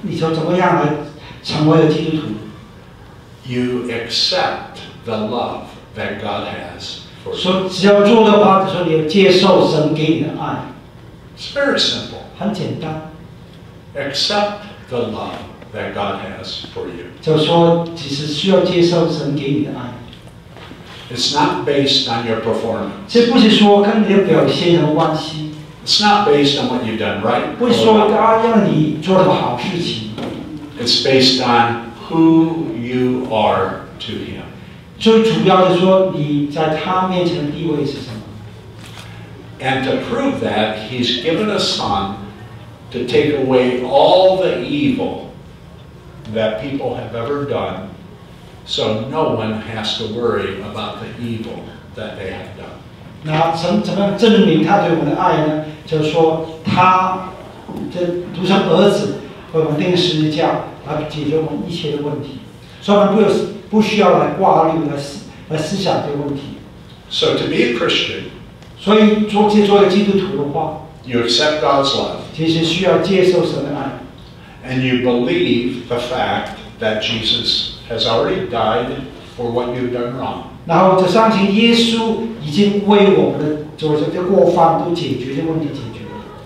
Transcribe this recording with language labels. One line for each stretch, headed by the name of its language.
Chinese: 你说怎么样来成为基督徒
English: ？You accept the love that God has for you.
Chinese: 说只要做的话，就说你要接受神给你的爱。
English: It's very simple.
Chinese: 很简单。
English: Accept the love that God has for you.
Chinese: 就说只是需要接受神给你的爱。
English: It's not based on your performance.
Chinese: 这不是说跟你的表现有关系。
English: It's not based on what you've done, right?
Chinese: 不是说要让你做什么好事情。
English: It's based on who you are to him.
Chinese: 最主要的说你在他面前的地位是什么。
English: And to prove that, he's given a son to take away all the evil that people have ever done, so no one has to worry about the evil that they have done.
Chinese: 那怎么证明他对我们的爱呢？就是说，他这独生儿子为我们钉十字架，来解决我们一切的问题，所以我们不需要来挂虑、来思想这个问题。
English: So to be a Christian，
Chinese: 所以做一个基督徒的话
English: ，You accept God's love，
Chinese: 其实需要接受神的爱
English: ，And you believe the fact that Jesus has already died for what you've done wrong。
Chinese: 然后就相信耶稣已经为我们的就是这过犯都解决这个问题解决了。